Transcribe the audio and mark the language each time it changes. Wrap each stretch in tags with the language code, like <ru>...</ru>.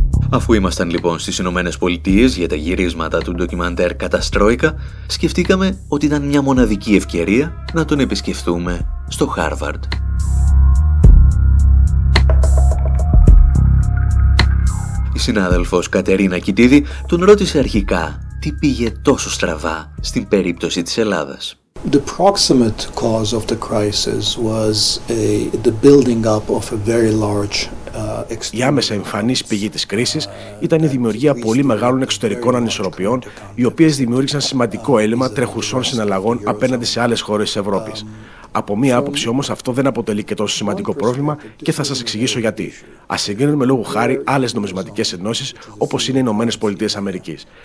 <el>Αφού ήμασταν λοιπόν στις Ηνωμένες Πολιτείες για τα γυρίσματα του ντοκιμαντέρ «Καταστρόικα», σκεφτήκαμε ότι ήταν μια μοναδική ευκαιρία να τον επισκεφθούμε στο Χάρβαρντ. Η συνάδελφος Κατερίνα Κιτίδη τον ρώτησε αρχικά τι πήγε τόσο στραβά στην περίπτωση της Ελλάδας.</el> <en>The proximate cause of the crisis was the building up of a very large.</en> <el>Η άμεσα εμφανής πηγή της κρίσης ήταν η δημιουργία πολύ μεγάλων εξωτερικών ανισορροπιών, οι οποίες δημιούργησαν σημαντικό έλλειμμα τρεχουσών συναλλαγών απέναντι σε άλλες χώρες της Ευρώπης. Από μία άποψη όμως, αυτό δεν αποτελεί και τόσο σημαντικό πρόβλημα και θα σας εξηγήσω γιατί. Ας συγκρίνουμε λόγου χάρη άλλες νομισματικές ενώσεις, όπως είναι οι Ηνωμένες Πολιτείες Αμερικής.</el>